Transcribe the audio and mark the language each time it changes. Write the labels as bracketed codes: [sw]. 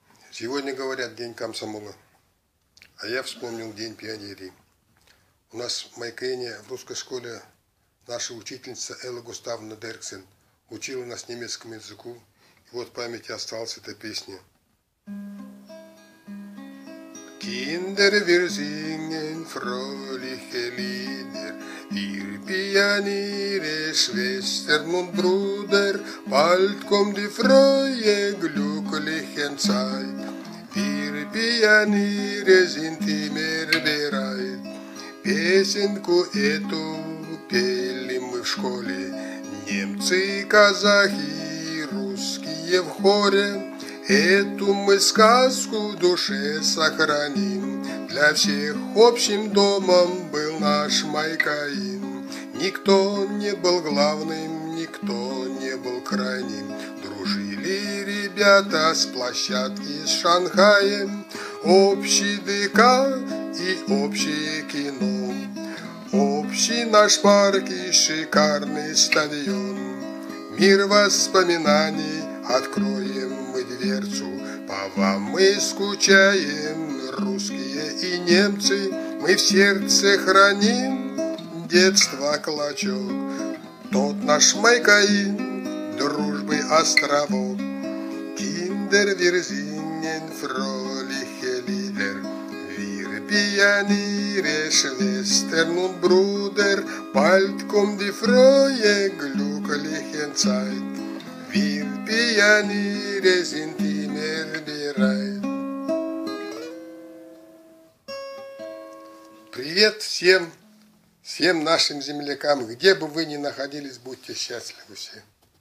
[ru] Сегодня, говорят, день комсомола. А я вспомнил день пионерии. У нас в Майкене, в русской школе, наша учительница Элла Густавна Дерксен учила нас немецкому языку. И вот в памяти осталась эта песня. [de] Kinder, wir singen fröhliche Lieder, ihr Pioniere, Schwestern und Bruder, bald kommt die frohe, glückliche Zeit. Wir Pioniere sind immer bereit, [ru] песенку эту пели мы в школе, немцы и казахи, русские в хоре. Эту мы сказку в душе сохраним. Для всех общим домом был наш Майкаин. Никто не был главным, никто не был крайним. Дружили ребята с площадки с Шанхаем. Общий ДК и общее кино. Общий наш парк и шикарный стадион. Мир воспоминаний откроем. Дверцу. По вам мы скучаем, русские и немцы. Мы в сердце храним детство клочок. Тот наш Майкаин, дружбы островок. [de] Kinder, wir singen fröhliche Lieder. Wir Pioniere, Schwestern und Bruder. Bald kommt die frohe, glückliche Zeit. Wir Pioniere sind immer bereit. [ru] Привет всем нашим землякам. Где бы вы ни находились, будьте счастливы все.